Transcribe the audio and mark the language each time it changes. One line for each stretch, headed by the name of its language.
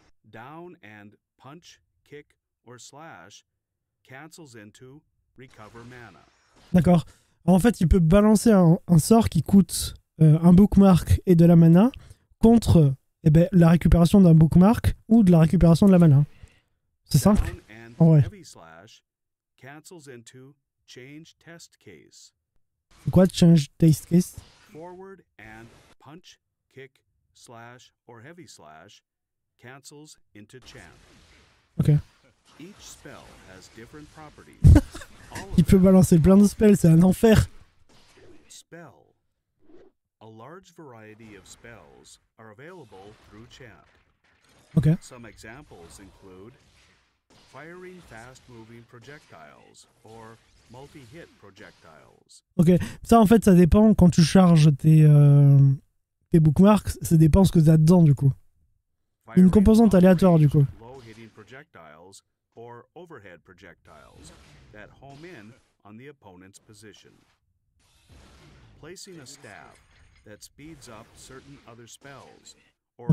English: Down and punch, kick, or slash cancels into recover mana.
French: D'accord. En fait, il peut balancer un sort qui coûte un bookmark et de la mana contre la récupération d'un bookmark ou de la récupération de la mana. C'est simple.
English: Down and heavy slash cancels into change test case.
French: Quoi, change test case?
English: Forward and punch, kick, slash, or heavy slash cancels into chant. Okay. Each spell has different properties.
French: Il peut balancer plein de spells, c'est un enfer.
English: Spell. A large variety of spells are available through chant. Okay. Some examples include firing fast-moving projectiles or multi-hit projectiles.
French: Ok, ça en fait ça dépend quand tu charges tes bookmarks, ça dépend ce que tu as dedans du coup. Une composante aléatoire du coup.
English: Low-hitting projectiles or overhead projectiles that home in on the opponent's position. Placing a staff that speeds up certain other spells or